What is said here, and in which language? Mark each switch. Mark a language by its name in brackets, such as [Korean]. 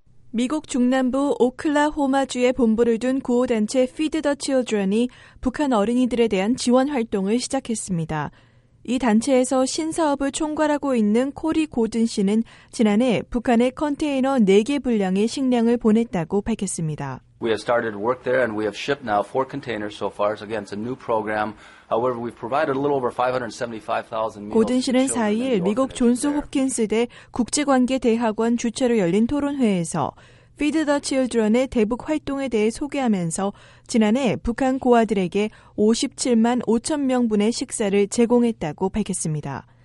[Korean] 미국 중남부 오클라호마주에 본부를 둔 구호단체 Feed the Children이 북한 어린이들에 대한 지원 활동을 시작했습니다. 이 단체에서 신사업을 총괄하고 있는 코리 고든 씨는 지난해 북한에 컨테이너 4개 분량의 식량을 보냈다고 밝혔습니다. [English] We have started work there and we have shipped now 4 containers so far. So again, it's a new program. However, we've provided a little over 575,000 meals. [Korean] 고든 씨는 4일 미국 존스 홉킨스 대 국제관계대학원 주최로 열린 토론회에서 Feed the Children의 대북 활동에 대해 소개하면서 지난해 북한 고아들에게 57만 5천 명분의 식사를 제공했다고 밝혔습니다.